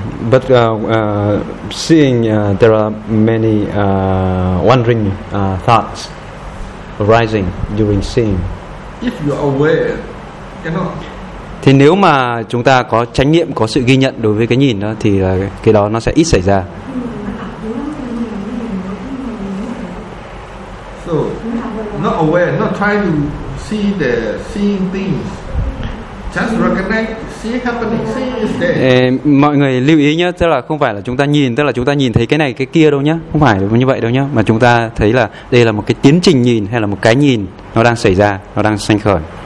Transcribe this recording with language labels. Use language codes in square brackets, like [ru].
[en] But seeing there are many wandering thoughts arising during seeing. If you are aware, cannot. [vi] Thì nếu mà chúng ta có chánh niệm, có sự ghi nhận đối với cái nhìn đó thì cái đó nó sẽ ít xảy ra. [en] So, not aware, not trying to see the seeing things. Just recognize, see happening, see is there. [vi] Mọi người lưu ý nhé, tức là không phải là chúng ta nhìn, tức là chúng ta nhìn thấy cái này cái kia đâu nhé, không phải như vậy đâu nhé, mà chúng ta thấy là đây là một cái tiến trình nhìn hay là một cái nhìn. nó đang xảy ra, nó đang sanh khởi.